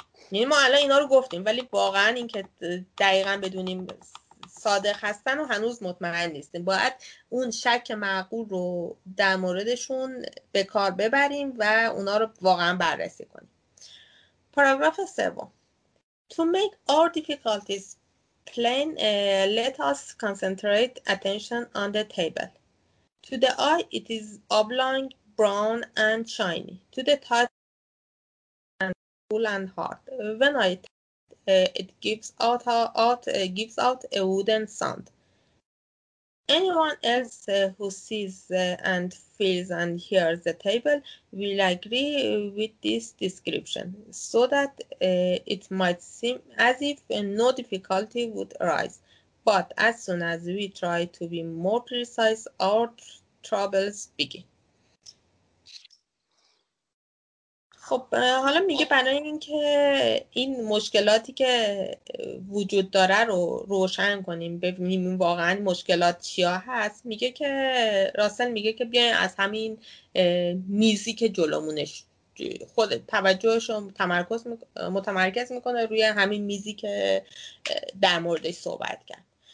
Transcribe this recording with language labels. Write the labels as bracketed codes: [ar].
[fa] یعنی ما الان اینا رو گفتیم ولی واقعا این که دقیقا بدونیم صادق هستن و هنوز مطمئن نیستیم، باید اون شک معقول رو در موردشون به کار ببریم و اونا رو واقعا بررسی کنیم. پاراگراف سوم: [en] To make our difficulties plain, let us concentrate attention on the table. To the eye it is oblong, brown and shiny. To the touch cool and hard. When I it gives out a wooden sound. Anyone else who sees and feels and hears the table will agree with this description, so that it might seem as if no difficulty would arise. But as soon as we try to be more precise, our troubles begin. [fa] خب حالا میگه برای اینکه این مشکلاتی که وجود داره رو روشن کنیم ببینیم واقعا مشکلات چیا هست، میگه که راسل میگه که بیاین از همین میزی که جلومونش خود توجهش رو متمرکز میکنه روی همین میزی که در موردش صحبت کرد.